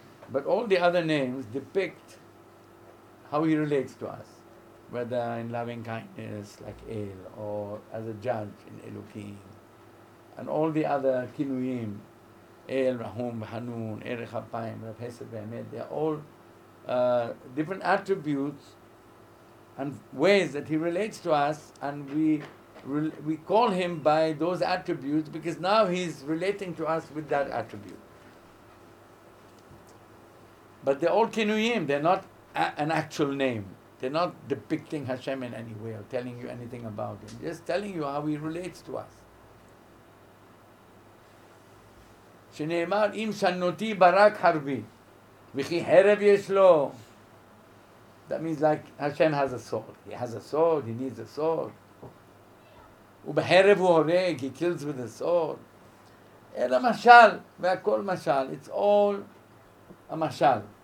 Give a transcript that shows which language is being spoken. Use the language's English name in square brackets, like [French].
[English] But all the other names depict how he relates to us, whether in loving kindness, like El, or as a judge in Elohim, and all the other kinuyim, El, Rahum, Hanun, Erech Apayim, Rav Hesed Ve'emet, they're all different attributes and ways that he relates to us, and we call him by those attributes because now he's relating to us with that attribute. But they're all kinuyim, they're not an actual name. They're not depicting Hashem in any way or telling you anything about him. Just telling you how he relates to us. [Hebrew] שנאמר, אם שנותי ברק חרבי, וכי חרב יש לו. [English] That means like Hashem has a sword. He has a sword, he needs a sword. [Hebrew] ובחרב הוא הורג, [English] he kills with a sword. [Hebrew] אלא משל, והכל משל. [English] It's all a משל.